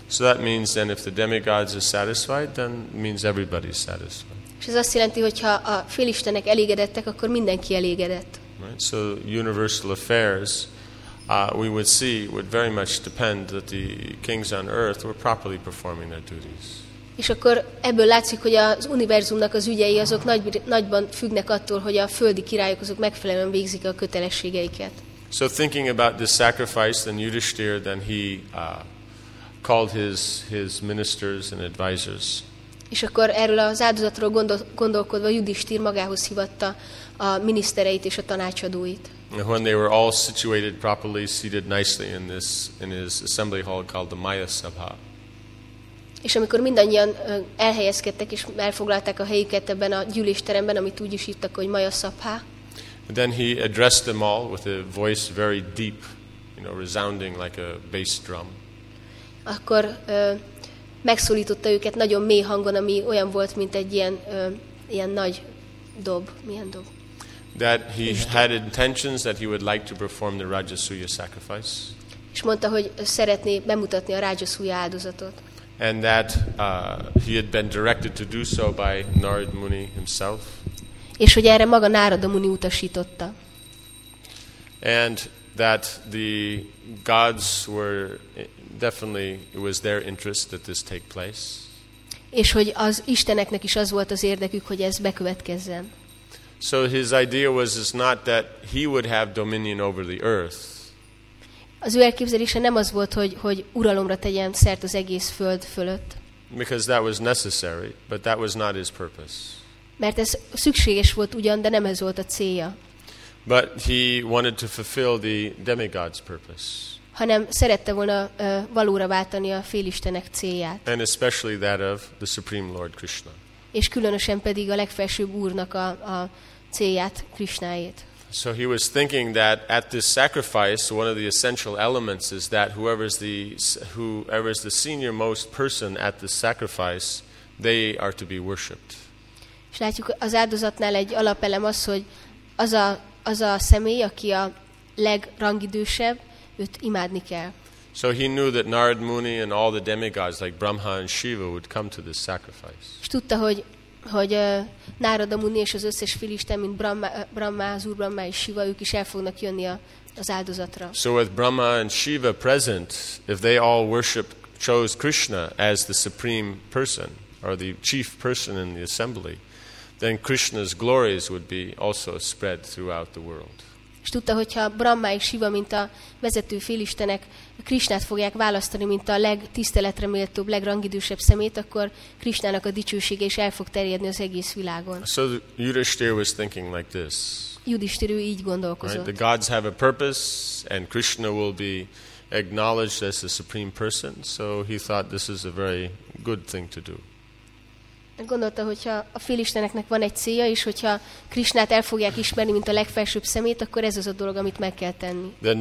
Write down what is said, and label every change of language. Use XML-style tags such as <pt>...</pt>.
<en>So that means then if the demigods are satisfied, then means everybody is satisfied.</en> <hu>És ez azt jelenti, hogy ha a félistenek elégedettek, akkor mindenki elégedett.</hu> <en>Right. So universal affairs, we would see, would very much depend that the kings on earth were properly performing their duties.</en> <hu>És akkor ebből látszik, hogy az univerzumnak az ügyei azok nagyban függnek attól, hogy a földi királyok azok megfelelően végzik a kötelességeiket.</hu> <en>So thinking about this sacrifice, then Yudhishthira, then he called his ministers and advisors.</en> <hu>És akkor erről az áldozatról gondolkodva Yudhishthir magához hívatta a minisztereit és a tanácsadóit.</hu> <en>When they were all situated properly, seated nicely in his assembly hall called the Maya Sabha.</en> <hu>És amikor mindannyian elhelyezkedtek és elfoglalták a helyüket ebben a gyűlésteremben, amit úgy is hívtak, hogy Maya Sabha.</hu> <en>Then he addressed them all with a voice very deep, you know, resounding like a bass drum.</en> <hu>Akkor megszólította őket nagyon mély hangon, ami olyan volt, mint egy ilyen nagy dob. Milyen dob?</hu> <en>That he had intentions that he would like to perform the Rajasuya sacrifice.</en> <hu>És mondta, hogy szeretné bemutatni a Rajasuya áldozatot.</hu> <en>And that he had been directed to do so by Narad Muni himself.</en> <hu>És hogy erre maga Narada Muni utasította.</hu> <en>And that the gods were definitely it was their interest that this take place.</en> <hu>És hogy az isteneknek is az volt az érdekük, hogy ez bekövetkezzen.</hu> <en>So his idea was is not that he would have dominion over the earth.</en> <hu>Az ő elképzelése nem az volt, hogy uralomra tegyen szert az egész föld fölött.</hu> <en>Because that was necessary, but that was not his purpose.</en> <hu>Mert ez szükséges volt ugyan, de nem ez volt a célja.</hu> <en>But he wanted to fulfill the demigod's purpose.</en> <hu>Hanem szerette volna valóra váltani a félistenek célját.</hu> <en>And especially that of the Supreme Lord Krishna.</en> <hu>És különösen pedig a legfelsőbb úrnak a célját, Krishnáét.</hu> <en>So he was thinking that at this sacrifice, one of the essential elements is that whoever is the senior most person at the sacrifice, they are to be worshipped.</en> <hu>És látjuk, az áldozatnál egy alapelem az, hogy az a személy, aki a legrangidősebb, őt imádni kell.</hu> <en>So he knew that Narad Muni and all the demigods like Brahma and Shiva would come to this sacrifice.</en> <hu>És tudta, hogy Narada Muni és az összes félisten, mint Brahma, Azur Brahma és Shiva, ők is el fognak jönni az áldozatra.</hu> <en>So with Brahma and Shiva present, if they all worship chose Krishna as the supreme person or the chief person in the assembly, then Krishna's glories would be also spread throughout the world.</en> <hu>És tudta, hogyha Brahma és Shiva, mint a vezető félistenek, Krishnát fogják választani, mint a legtiszteletreméltőbb, legrangidősebb szemét, akkor Krishnának a dicsőség is el fog terjedni az egész világon.</hu> <en>So Yudhishthir was thinking like this.</en> <hu>Yudhishthir így gondolkozott.</hu> <en>Right? The gods have a purpose, and Krishna will be acknowledged as the supreme person, so he thought this is a very good thing to do.</en> <hu>Gondolta, hogyha a félisteneknek van egy célja, és hogyha Krishnát el fogják ismerni, mint a legfelsőbb szemét, akkor ez az a dolog, amit meg kell tenni.</hu>